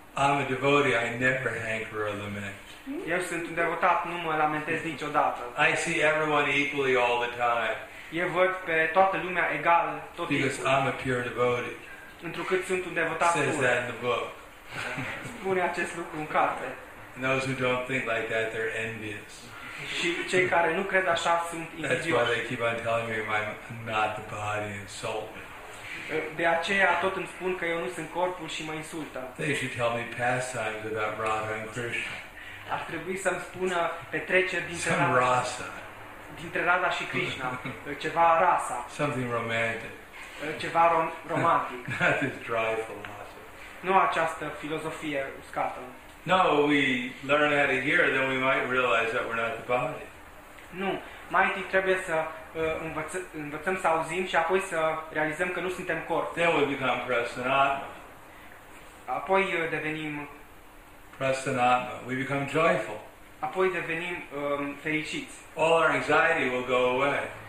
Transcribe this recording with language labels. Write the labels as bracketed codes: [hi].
[en] I'm a devotee, I never hanker or lament. [ro] Eu sunt un devotat, nu mă lamentez niciodată. [en] I see everyone equally all the time. [ro] Eu văd pe toată lumea egal, tot [en] because [ro] timpul. [en] I'm a pure devotee. [ro] Întrucât sunt un devotat [en] pur. Says that in the book. [ro] Spune acest lucru în carte. [en] And those who don't think like that, they're envious. [ro] Și cei care nu cred așa sunt invidioși. [en] That's why they keep on telling me I'm not the body and soul. [ro] De aceea tot îmi spun că eu nu sunt corpul și mă insultă. [en] They should tell me pastimes about Radha and Krishna. [ro] Ar trebui să-mi spună petreceri dintre [en] Some rasa. [ro] Dintre Radha și Krishna, ceva rasa. [en] Something romantic. [ro] Ceva romantic. [en] Not this dry philosophy. [ro] Nu această filozofie uscată. [en] No, we learn how to hear, then we might realize that we're not the body. [ro] Nu, mai întâi trebuie să învățăm să auzim și apoi să realizăm că nu suntem corp. [en] Then we become prasanatma. [ro] Apoi devenim [en] prasanatma. We become joyful. [ro] Apoi devenim fericiți. [en] All our anxiety will go away.